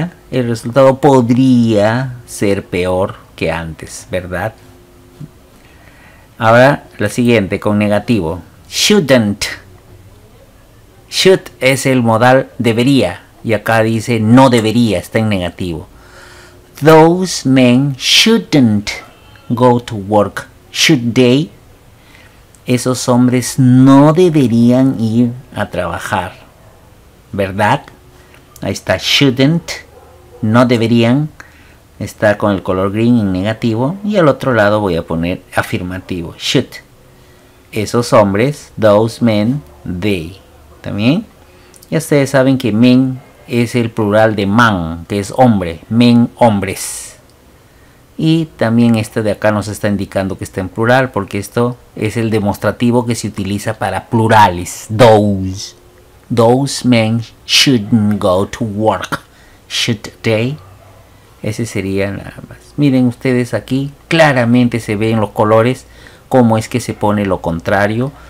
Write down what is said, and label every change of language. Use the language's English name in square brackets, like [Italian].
[Spanish] El resultado podría ser peor que antes, ¿verdad? Ahora, la siguiente, con negativo. Shouldn't. Should es el modal debería. Y acá dice no debería, está en negativo. [English] Those men shouldn't go to work, should they? [Spanish] Esos hombres no deberían ir a trabajar, ¿verdad? Ahí está, shouldn't, no deberían, está con el color green en negativo, y al otro lado voy a poner afirmativo, should. Esos hombres, [English] those men, they, [Spanish] ¿también? Y ustedes saben que men es el plural de man, que es hombre, men, hombres. Y también este de acá nos está indicando que está en plural, porque esto es el demostrativo que se utiliza para plurales. [English] Those. Those men shouldn't go to work, should they? [Spanish] Ese sería nada más. Miren ustedes aquí, claramente se ve en los colores cómo es que se pone lo contrario.